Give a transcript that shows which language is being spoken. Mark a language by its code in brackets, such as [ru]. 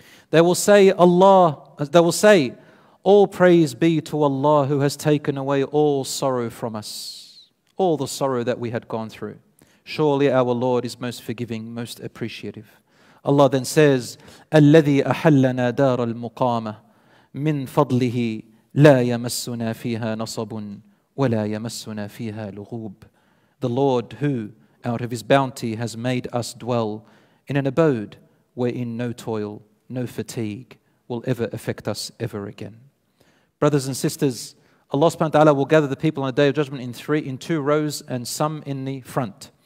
[en] They will say, Allah, they will say, all praise be to Allah who has taken away all sorrow from us, all the sorrow that we had gone through. Surely our Lord is most forgiving, most appreciative. Allah then says, [ar] الَّذِي أَحَلَّنَا دَارَ الْمُقَامَةِ مِنْ فَضْلِهِ لَا يَمَسُّنَا فِيهَا نَصَبٌ وَلَا يَمَسُّنَا فِيهَا لُغُوبٌ. [en] The Lord who, out of His bounty, has made us dwell in an abode wherein no toil, no fatigue will ever affect us ever again. Brothers and sisters, Allah subhanahu wa ta'ala will gather the people on the Day of Judgment in two rows and some in the front.